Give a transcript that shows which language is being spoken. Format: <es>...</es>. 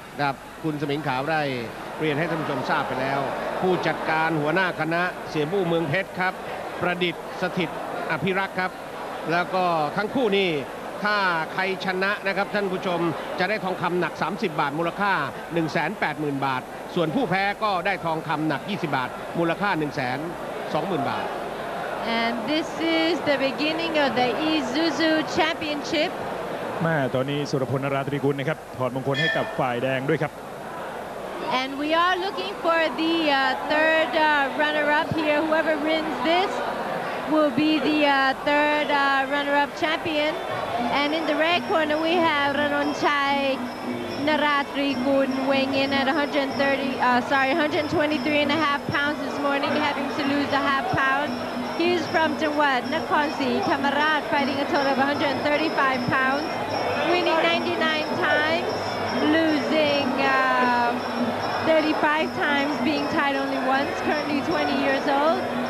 <th>ครับคุณสมิงขาวได้เรียนให้ท่านผู้ชมทราบไปแล้วผู้จัดการหัวหน้าคณะเสียบู้เมืองเพชรครับประดิษฐ์สถิตอภิรักษ์ครับแล้วก็ทั้งคู่นี่ถ้าใครชนะนะครับท่านผู้ชมจะได้ทองคำหนัก30บาทมูลค่า 180,000 บาทส่วนผู้แพ้ก็ได้ทองคำหนัก20บาทมูลค่า 120,000 บาท</th> <en>And this is the beginning of the Isuzu Championship</en> <th>แม่ตอนนี้สุรพลนราตรีกุลนะครับถอดมงคลให้กับฝ่ายแดงด้วยครับ</th> <en>And we are looking for the third runner up here whoever wins this will be the third runner up champion and in the red corner we have Ranonchai Naratri Gun weighing in at 123 and a half pounds this morning having to lose a half poundHe's from Jawad, Nakhon Si, Thammarat, fighting a total of 135 pounds, winning 99 times, losing 35 times, being tied only once, currently 20 years old.</en>